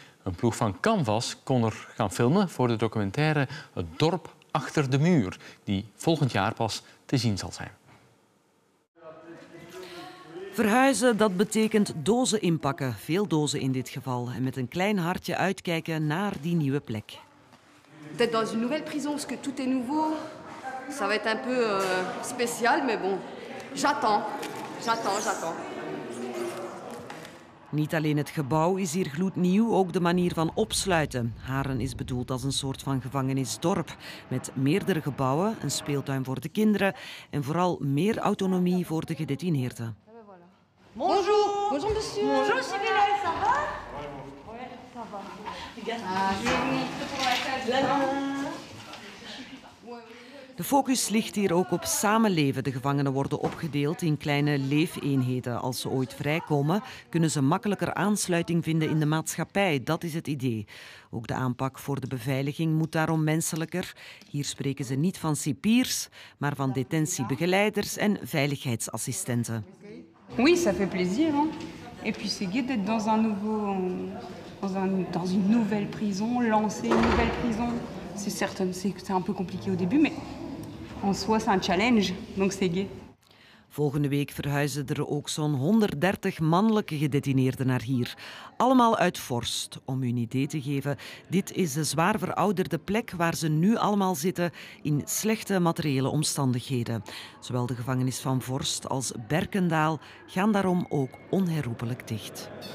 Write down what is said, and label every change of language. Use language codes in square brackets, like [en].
[nl] Een ploeg van Canvas kon er gaan filmen voor de documentaire Het dorp achter de muur, die volgend jaar pas te zien zal zijn. Verhuizen, dat betekent dozen inpakken, veel dozen in dit geval, en met een klein hartje uitkijken naar die nieuwe plek. [fr] Peut-être dans une nouvelle prison, parce que tout est nouveau. Ça va être un peu spécial, mais bon. J'attends. [nl] Niet alleen het gebouw is hier gloednieuw, ook de manier van opsluiten. Haren is bedoeld als een soort van gevangenisdorp, met meerdere gebouwen, een speeltuin voor de kinderen en vooral meer autonomie voor de gedetineerden. [fr] Bonjour. Bonjour, monsieur. Bonjour, civil. Ça va? Ouais, ça va. [nl] De focus ligt hier ook op samenleven. De gevangenen worden opgedeeld in kleine leefeenheden. Als ze ooit vrijkomen, kunnen ze makkelijker aansluiting vinden in de maatschappij. Dat is het idee. Ook de aanpak voor de beveiliging moet daarom menselijker. Hier spreken ze niet van cipiers, maar van detentiebegeleiders en veiligheidsassistenten. [fr] Oui, ça fait plaisir, hein? Et puis c'est gai d'être dans un nouveau, dans une nouvelle prison, lancer une nouvelle prison. C'est certain, c'est un peu compliqué au début, mais en soi, c'est un challenge, donc c'est gay. [nl] Volgende week verhuizen er ook zo'n 130 mannelijke gedetineerden naar hier. Allemaal uit Vorst. Om u een idee te geven, dit is de zwaar verouderde plek waar ze nu allemaal zitten in slechte materiële omstandigheden. Zowel de gevangenis van Vorst als Berkendaal gaan daarom ook onherroepelijk dicht.